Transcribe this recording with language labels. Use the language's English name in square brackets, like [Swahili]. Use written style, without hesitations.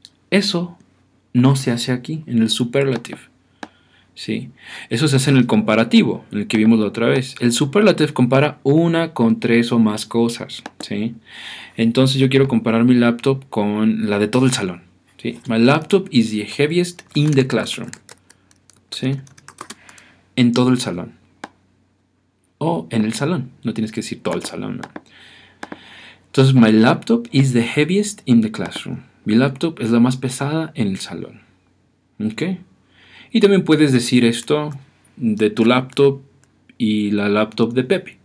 [Spanish] Eso no se hace aquí en el superlative. Sí. Eso se hace en el comparativo, en el que vimos la otra vez. El superlative compara una con tres o más cosas. ¿Sí? Entonces yo quiero comparar mi laptop con la de todo el salón. ¿Sí? [English] My laptop is the heaviest in the classroom. [Spanish] ¿Sí? En todo el salón. O en el salón. No tienes que decir todo el salón, ¿no? [English] Entonces, my laptop is the heaviest in the classroom. [Spanish] Mi laptop es la más pesada en el salón. ¿Ok? Y también puedes decir esto de tu laptop y la laptop de Pepe.